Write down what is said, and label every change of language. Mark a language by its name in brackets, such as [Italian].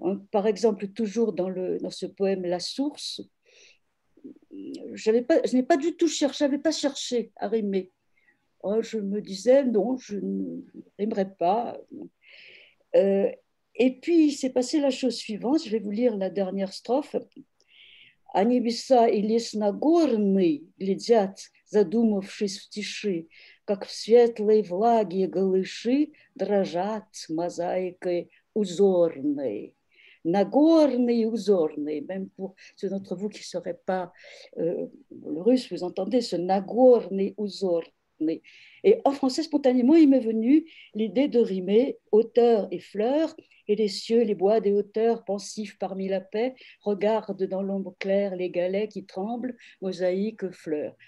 [French] Par exemple, toujours dans ce poème La Source, je n'ai pas cherché à rimer. Oh, je me disais non, je ne rimerai pas. Et puis, il s'est passé la chose suivante, je vais vous lire la dernière strophe. [Russian] Анибиса и лес нагорный глядят задумавшись в тиши, как в светлой влаге голыши дрожат мозаикой узорной. Нагорный узорный, [French] même pour ceux d'entre vous qui ne sauraient pas le russe, vous entendez ce [Russian] нагорный узорный. [French] Et en français, spontanément, il m'est venu l'idée de rimer auteur et fleur. Et les cieux, les bois des hauteurs, pensifs parmi la paix, regardent dans l'ombre claire les galets qui tremblent, mosaïque fleur.